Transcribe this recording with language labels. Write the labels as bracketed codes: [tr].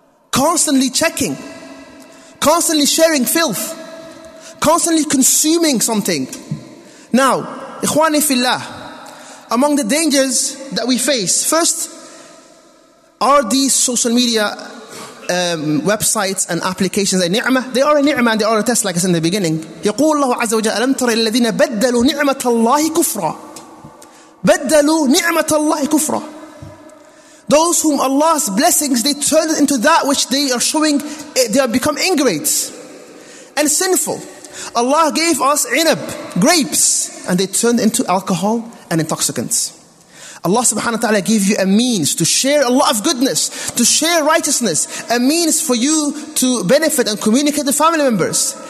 [en] Constantly checking, constantly sharing filth, constantly consuming something. Now, ikhwani fillah, among the dangers that we face, first, are these social media websites and applications a ni'mah? They are a ni'mah, they are a test, like I said in the beginning. [ar] يقول الله عز وجل ألم ترى الذين بدلوا نعمة الله كفرا. بدلوا نعمة الله كفرا. [en] Those whom Allah's blessings, they turned into that which they are showing, they have become ingrates and sinful. Allah gave us inab, grapes, and they turned into alcohol and intoxicants. Allah subhanahu wa ta'ala gave you a means to share a lot of goodness, to share righteousness, a means for you to benefit and communicate to family members.